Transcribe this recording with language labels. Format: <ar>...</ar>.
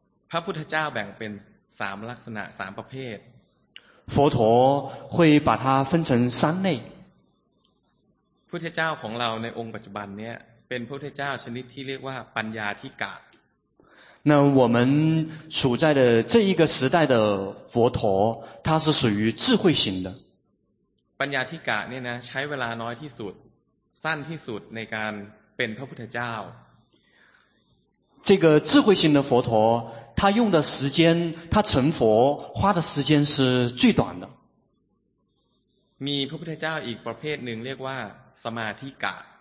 <th>พระพุทธเจ้าแบ่งเป็น3ลักษณะ3ประเภท。</th> <zh>佛陀会把它分成三类。</zh> <th>พุทธเจ้าของเราในองค์ปัจจุบันเนี่ยเป็นพุทธเจ้าชนิดที่เรียกว่าปัญญาธิกะ。</th> <zh>那我们处在的这一个时代的佛陀他是属于智慧型的</zh> <th>ปัญญาธิกะเนี่ยนะใช้เวลาน้อยที่สุดสั้นที่สุดในการเป็นพระพุทธเจ้า</th> <zh>这个智慧型的佛陀他用的时间，他成佛花的时间是最短的。</zh> <th>มีพระพุทธเจ้าอีกประเภทหนึ่งเรียกว่าสมาธิกะ</th>